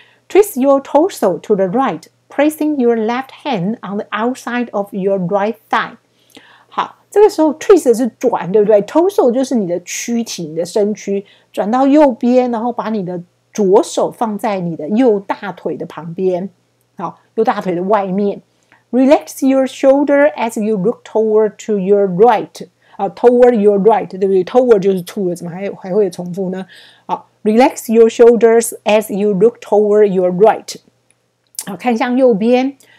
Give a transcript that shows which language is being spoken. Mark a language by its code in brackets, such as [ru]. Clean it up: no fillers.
[en] Twist your torso to the right, placing your left hand on the outside of your right thigh. [zh] 好，这个时候 twist 是转，对不对？ torso 就是你的躯体，你的身躯，转到右边，然后把你的左手放在你的右大腿的旁边，好，右大腿的外面。 [en] Relax your shoulder as you look toward to your right, toward your right, [zh] 对不对？ toward 就是 to, 怎么还会重复呢？ [en] 好， relax your shoulders as you look toward your right, 好， [zh] 看向右边。